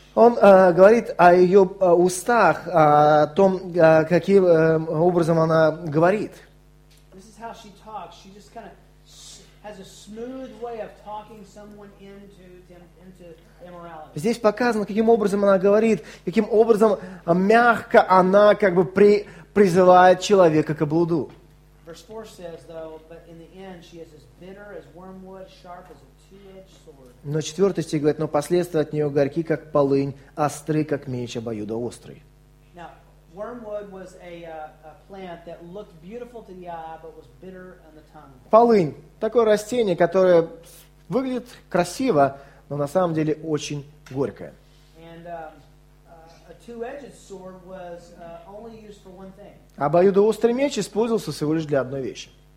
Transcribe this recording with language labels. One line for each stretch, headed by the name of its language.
Russian: Он говорит о ее устах, о том, каким образом она говорит.
English: This is how she talks. She just kind of has a smooth way of talking someone into immorality.
Russian: Здесь показано, каким образом она говорит, каким образом мягко она как бы призывает человека к блуду.
English: Verse 4 says, though, but in the end she is as bitter as wormwood, sharp as a two-edged sword.
Russian: Но 4 стих говорит, но последствия от нее горьки, как полынь, остры, как меч обоюдоострый.
English: Now, wormwood was a plant that looked beautiful to the eye, but was bitter on the tongue.
Russian: Полынь – такое растение, которое выглядит красиво, но на самом деле очень горькое.
English: And a two-edged sword was only used for one thing.
Russian: Обоюдоострый меч использовался всего лишь для одной вещи.